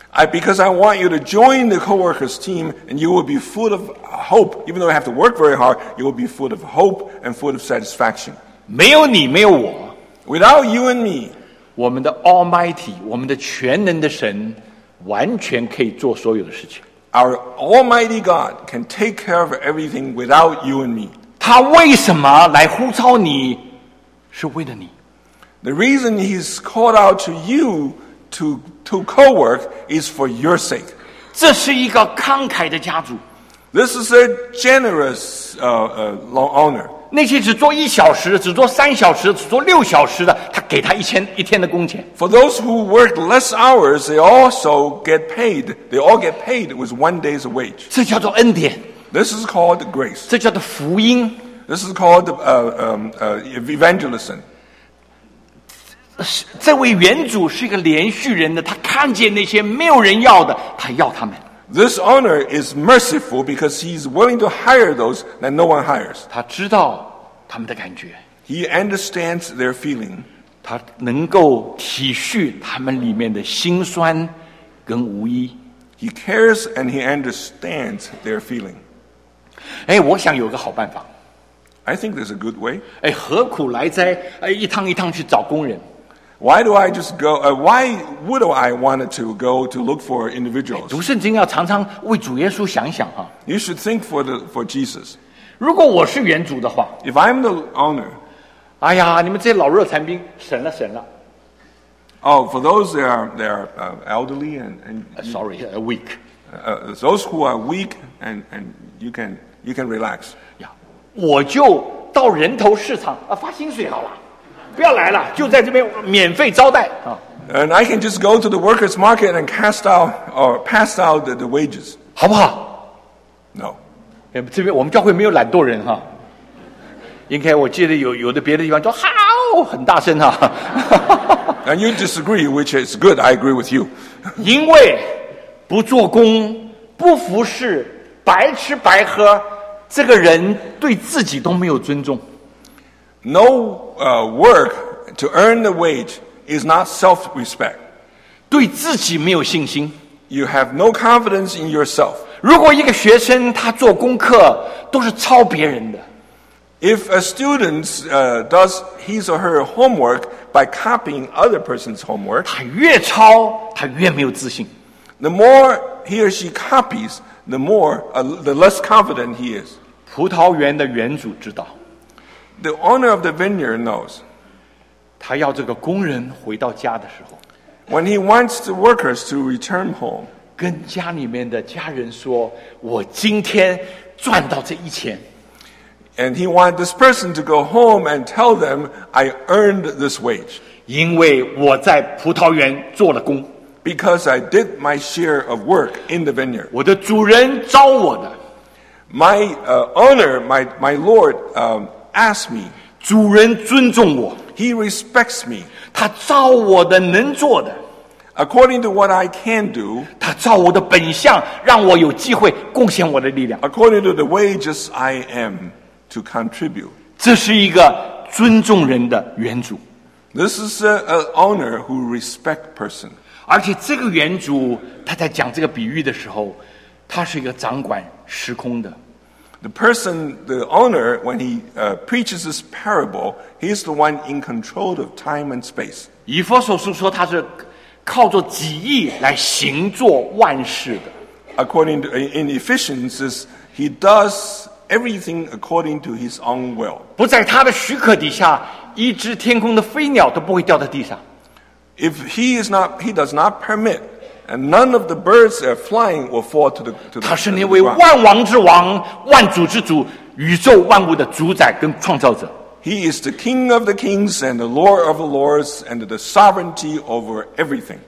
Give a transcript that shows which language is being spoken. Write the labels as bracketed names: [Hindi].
[English] Because I want you to join the co-workers team and you will be full of hope. Even though I have to work very hard, you will be full of hope and full of satisfaction. [Chinese] 没有你，没有我。 [English] Without you and me, [Chinese] 我们的 Almighty, 我们的全能的神完全可以做所有的事情。 [English] Our Almighty God can take care of everything without you and me. [Chinese] 他为什么来呼召你是为了你。 [English] The reason he's called out to you to co-work is for your sake. [Chinese] 这是一个慷慨的家主。 [English] This is a generous owner. [Chinese] 那些只做一小时的，只做三小时的，只做六小时的，他给他一天的工钱。 [English] For those who work less hours, they also get paid. They all get paid with 1 day's wage. [Chinese] 这叫做恩典。 [English] This is called grace. [Chinese] 这叫做福音。 [English] This is called evangelism. [Chinese] 这位原主是一个连续人的，他看见那些没有人要的，他要他们。 [English] This owner is merciful because he's willing to hire those that no one hires. [Chinese] 他知道他们的感觉。 [English] He understands their feeling. [Chinese] 他能够体恤他们里面的心酸跟无依。 [English] He cares and he understands their feeling. [Chinese] 哎，我想有个好办法。 [English] I think there's a good way. [Chinese] 哎，何苦来哉？哎，一趟一趟去找工人。 [English] Why do I just go? Why would I want to go to look for individuals? [Chinese] 读圣经要常常为主耶稣想想哈。 [English] You should think for Jesus. [Chinese] 如果我是原主的话 [English] ，If I'm the owner, [Chinese] 哎呀，你们这些老弱残兵，省了省了。 [English] Oh, for those that are elderly and sorry, weak. Those who are weak and you can relax. [Chinese] Yeah, 我就到人头市场啊，发薪水好了，不要来了，就在这边免费招待啊。 [English] And I can just go to the workers' market and cast out or pass out the wages. [Chinese] 好不好？ [English] No. [Chinese] 这边我们教会没有懒惰人哈。应该我记得有的别的地方说好很大声哈。 [English] And you disagree, which is good. I agree with you. [Chinese] 因为不做工、不服侍、白吃白喝，这个人对自己都没有尊重。 [English] No, work to earn the wage is not self-respect. [Chinese] 对自己没有信心。 [English] You have no confidence in yourself. [Chinese] 如果一个学生他做功课都是抄别人的。 [English] If a student does his or her homework by copying other person's homework, [Chinese] 他越抄他越没有自信。 [English] The more he or she copies, the more the less confident he is. [Chinese] 葡萄园的园主知道。 [English] The owner of the vineyard knows. [Chinese] 他要这个工人回到家的时候。 [English] When he wants the workers to return home, [Chinese] 跟家里面的家人说，我今天赚到这一钱。 [English] And he wants this person to go home and tell them, I earned this wage. [Chinese] 因为我在葡萄园做了工。 [English] Because I did my share of work in the vineyard. [Chinese] 我的主人招我的。 [English] My owner, my lord, asked me. [Chinese] 主人尊重我。 [English] He respects me. [Chinese] 他招我的能做的。 [English] According to what I can do, [Chinese] 他照我的本相，让我有机会贡献我的力量。 [English] According to the wages I am to contribute. [Chinese] 这是一个尊重人的原主。 [English] This is an owner who respects person. [Chinese] 而且这个原主，他在讲这个比喻的时候，他是一个掌管时空的。 [English] The person, the owner, when he preaches this parable, he is the one in control of time and space. [Chinese] 以弗所书说他是靠着己意来行做万事的。 [English] According to, in Ephesians, he does everything according to his own will. [Chinese] 不在他的许可底下，一只天空的飞鸟都不会掉到地上。 [English] If he is not, he does not permit. And none of the birds that are flying will fall to the ground. [Chinese] 他是那位万王之王、万主之主、宇宙万物的主宰跟创造者。 [English] He is the King of the kings and the Lord of the lords and the sovereignty over everything.